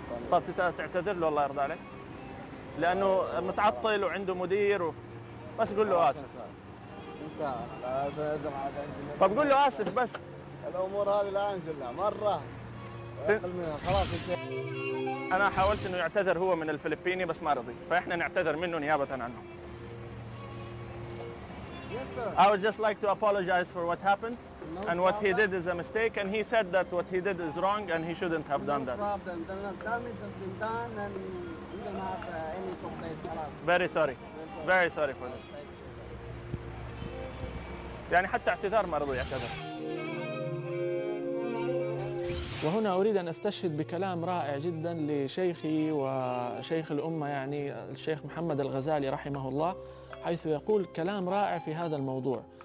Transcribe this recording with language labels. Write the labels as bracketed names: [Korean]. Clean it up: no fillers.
[Arabic] طب تعتذر له الله يرضى عليك، لأنه متعطل وعنده مدير بس قول له آسف. أنت لازم عاد أنزل. طب قول له آسف بس. الأمور هذه لا أنزل لها مرة. خلاص. أنا حاولت إنه يعتذر هو من الفلبيني بس ما رضي، فإحنا نعتذر منه نيابة عنه. [English] Yes sir. I would just like to apologize for what happened. And what he did is a mistake, and he said that what he did is wrong and he shouldn't have done that. No problem. The damage has been done and we don't have any complaint. Very sorry. Very sorry for this. [Arabic] يعني حتى اعتذار ما رضوا يعتذر. وهنا أريد أن أستشهد بكلام رائع جدا لشيخي وشيخ الأمة، يعني الشيخ محمد الغزالي رحمه الله، حيث يقول كلام رائع في هذا الموضوع.